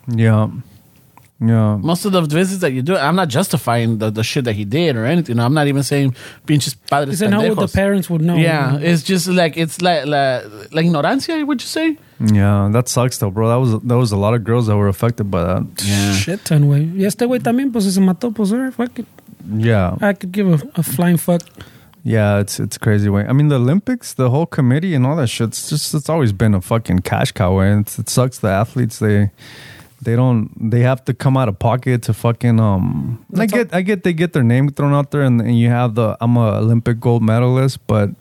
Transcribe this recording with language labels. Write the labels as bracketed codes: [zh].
[en] Yeah. Yeah. Most of the visits that you do, I'm not justifying the shit that he did or anything. I'm not even saying being just padres pendejos. Isn't that what the parents would know? Yeah. Right? It's just like, it's like ignorancia, would you say? Yeah. That sucks though, bro. That was a lot of girls that were affected by that. Yeah. Shit ton, wey. [es] Y este wey también, pues se mató, pues, [en] fuck it. Yeah. I could give a flying fuck. Yeah, it's crazy, way. I mean, the Olympics, the whole committee and all that shit, it's always been a fucking cash cow, way. It sucks the athletes, they have to come out of pocket to fucking, I get they get their name thrown out there and you have the, I'm a Olympic gold medalist, but.